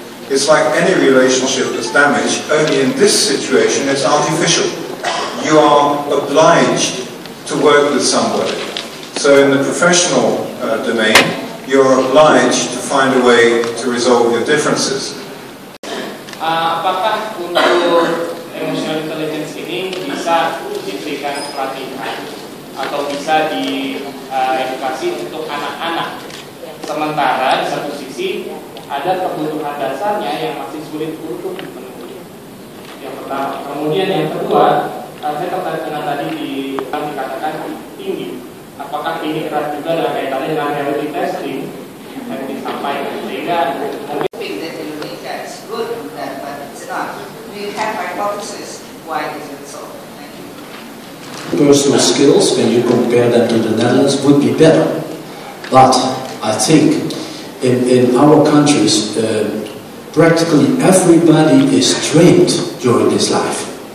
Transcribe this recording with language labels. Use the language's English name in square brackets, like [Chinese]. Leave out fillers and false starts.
[English] It's like any relationship that's damaged, only in this situation it's artificial. You are obliged to work with somebody. So in the professional domain, you're obliged to find a way to resolve your differences. [Indonesian] Apakah untuk emotional intelligence ini bisa diberikan pelatihan atau bisa diedukasi untuk anak-anak? Sementara di satu sisi, ada kebutuhan dasarnya yang masih sulit untuk dipenuhi. Yang pertama, kemudian yang kedua, saya tertarik dengan tadi di yang dikatakan tinggi. Apakah ini erat juga dalam kaitannya dengan reality testing yang disampaikan? Sehingga [English] hoping that Indonesia is good, but it's not. Do you have hypothesis why is it so? Personal skills, when you compare them to the Netherlands, would be better. But I think in our countries, practically everybody is trained during this life.